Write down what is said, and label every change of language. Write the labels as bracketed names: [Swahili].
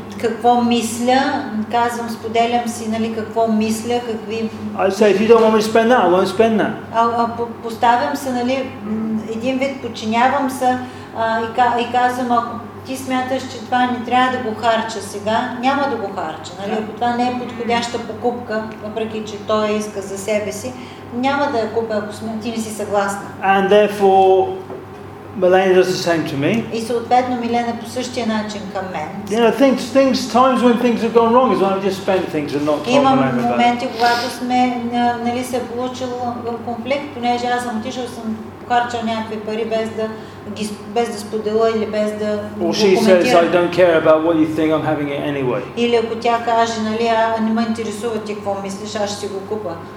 [Bulgarian] Какво мисля, казвам, споделям си, нали, какво мисля, какви... [English] I say, if you don't want me to spend that, I won't spend that. [Bulgarian] Поставям се, нали, един вид, подчинявам се, и казвам, ако ти смяташ, че това не трябва да го харча сега, няма да го харча, нали? Ако това не е подходяща покупка, въпреки че той иска за себе си, няма да я купя, ако ти не си съгласна. [English] And therefore, Milena does the same to me. [Bulgarian] И съответно Милена по същия начин към мен. [English] You know, things, times when things have gone wrong is when I just spend things and not talk about them. [Bulgarian] Имам моменти, когато сме, нали, се получил конфликт, понеже аз съм отишъл, съм похарчал някакви пари без да споделя или без да го коментирам. [English] Well, she says, I don't care about what you think, I'm having it anyway. [Bulgarian] Или ако тя каже, нали, не ме интересува ти какво мислиш, аз ще го купа.